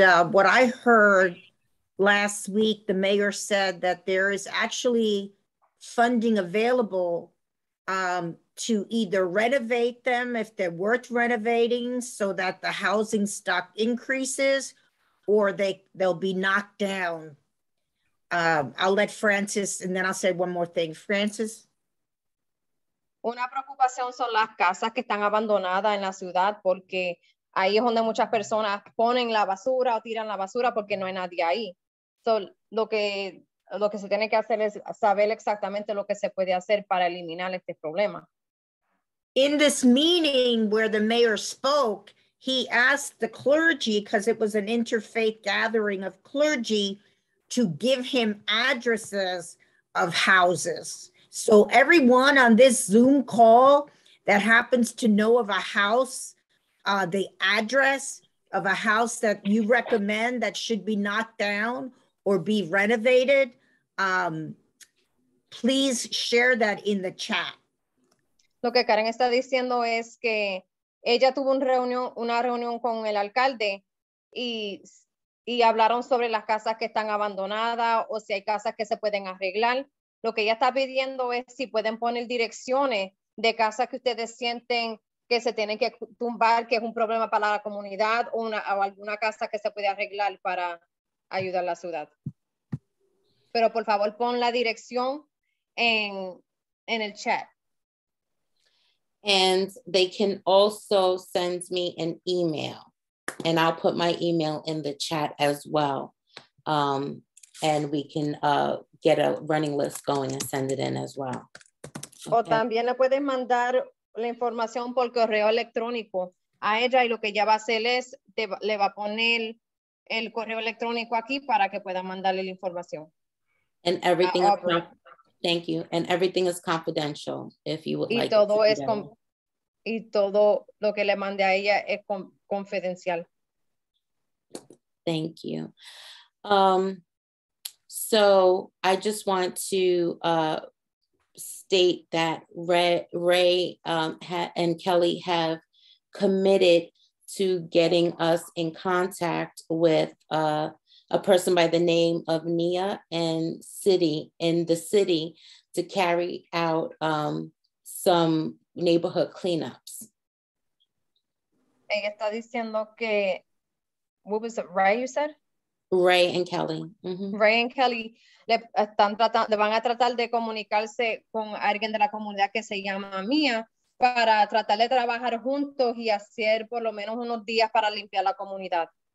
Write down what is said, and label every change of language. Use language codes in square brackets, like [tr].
[en] What I heard last week, the mayor said that there is actually funding available to either renovate them if they're worth renovating so that the housing stock increases, or they'll be knocked down. I'll let Francis, and then I'll say one more thing. Francis? [es] Una preocupación son las casas que están abandonadas en la ciudad, porque ahí es donde muchas personas ponen la basura o tiran la basura porque no hay nadie ahí. So, lo que se tiene que hacer es saber exactamente lo que se puede hacer para eliminar este problema. [en] In this meeting where the mayor spoke, he asked the clergy, because it was an interfaith gathering of clergy, to give him addresses of houses. So everyone on this Zoom call that happens to know of a house, the address of a house that you recommend that should be knocked down or be renovated, please share that in the chat. [es] Lo que Karen está diciendo es que ella tuvo una reunión con el alcalde y hablaron sobre las casas que están abandonadas o si hay casas que se pueden arreglar. Lo que ella está pidiendo es si pueden poner direcciones de casas que ustedes sienten que se tienen que tumbar, que es un problema para la comunidad, o alguna casa que se puede arreglar para ayudar a la ciudad. Pero por favor pon la dirección en el chat. [en] And they can also send me an email, and I'll put my email in the chat as well. And we can get a running list going and send it in as well. [es] Okay. O también le pueden mandar la información por correo electrónico a ella, y lo que ella va a hacer es le va a poner el correo electrónico aquí para que pueda mandarle la información. [en] And everything. Thank you. And everything is confidential, if you would [es] y [en] like [es] todo to es con, y todo lo que le mandé a ella es confidencial. [en] Thank you. So I just want to state that Ray and Kelly have committed to getting us in contact with a person by the name of Nia and City in the city to carry out some neighborhood cleanups. [es] Ella está diciendo que, [en] what was it, Ray, you said? Ray and Kelly. Mm-hmm. [es] Ray and Kelly le van a tratar de comunicarse con alguien de la comunidad que se llama Mia para tratar de trabajar juntos y hacer por lo menos unos días para limpiar la comunidad.